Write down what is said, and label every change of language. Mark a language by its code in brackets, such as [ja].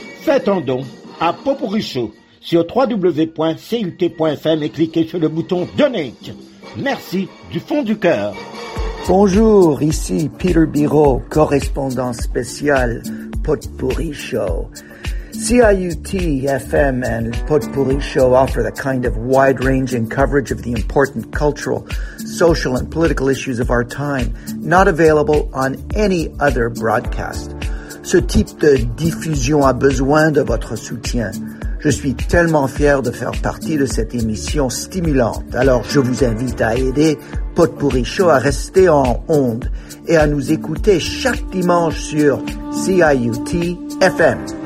[fr] Faites un don à Popourri Show sur www.cut.fm et cliquez sur le bouton « Donate ». Merci du fond du cœur. Bonjour, ici Peter Biro, correspondant spécial Potpourri Show. [en] CIUT FM and Potpourri Show offer the kind of wide-ranging coverage of the important cultural, social, and political issues of our time, not available on any other broadcast. [fr] Ce type de diffusion a besoin de votre soutien. Je suis tellement fier de faire partie de cette émission stimulante. Alors, je vous invite à aider Potpourri Show à rester en onde et à nous écouter chaque dimanche sur CIUT FM.